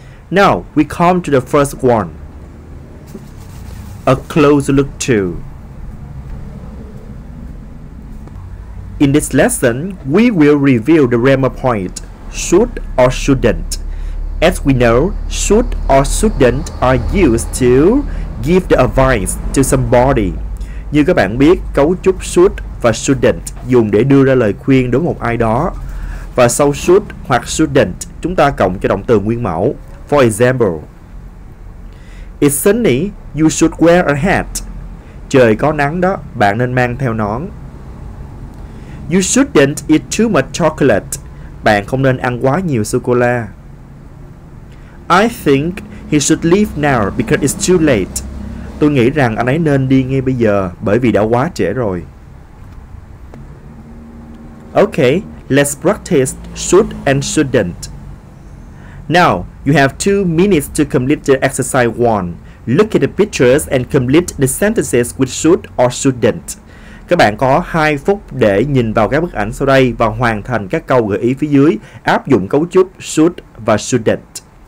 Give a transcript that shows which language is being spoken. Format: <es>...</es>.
<en>Now, we come to the first one. A close look to. In this lesson, we will review the grammar point, should or shouldn't. As we know, should or shouldn't are used to give the advice to somebody.</en> <vi>Như các bạn biết, cấu trúc should và shouldn't dùng để đưa ra lời khuyên đối với một ai đó. Và sau should hoặc shouldn't, chúng ta cộng cho động từ nguyên mẫu.</vi> <en>For example, it's sunny, you should wear a hat.</en> <vi>Trời có nắng đó, bạn nên mang theo nón.</vi> <en>You shouldn't eat too much chocolate.</en> <vi>Bạn không nên ăn quá nhiều sô-cô-la.</vi> <en>I think he should leave now because it's too late.</en> <vi>Tôi nghĩ rằng anh ấy nên đi ngay bây giờ bởi vì đã quá trễ rồi.</vi> <en>Okay, let's practice should and shouldn't. Now, you have 2 minutes to complete the exercise 1. Look at the pictures and complete the sentences with should or shouldn't.</en> <vi>Các bạn có 2 phút để nhìn vào các bức ảnh sau đây và hoàn thành các câu gợi ý phía dưới áp dụng cấu trúc should và shouldn't.</vi>